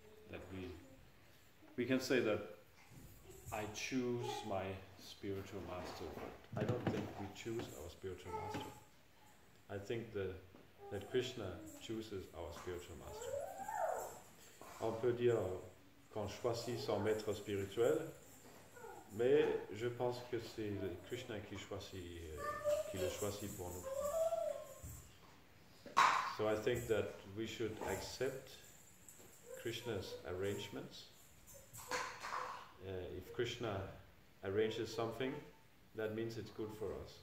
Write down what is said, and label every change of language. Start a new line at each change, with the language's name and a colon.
English: That we can say that I choose my spiritual master. I don't think we choose our spiritual master. I think that Krishna chooses our spiritual master.
French: On peut dire qu'on choisit son maître spirituel, mais je pense que c'est Krishna qui le choisit pour nous.
English: So I think that we should accept Krishna's arrangements. If Krishna arranges something, that means it's good for us.